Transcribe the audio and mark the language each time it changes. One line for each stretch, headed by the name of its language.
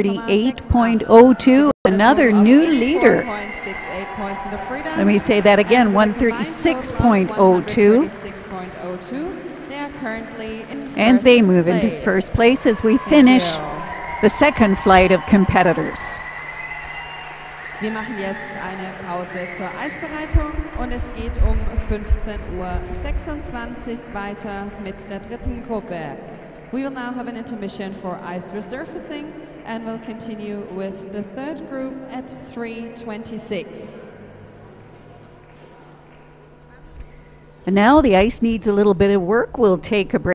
English: 138.02, another new leader. Let me say that again, 136.02. They are currently in first place. And they move into first place as we finish the second flight of competitors.
German: Wir machen jetzt eine Pause zur Eisbereitung und es geht um 15.26 Uhr weiter mit der dritten Gruppe.
English: We will now have an intermission for ice resurfacing and will continue with the third group at 3.26. And now the ice needs a little bit of work. We'll take a break.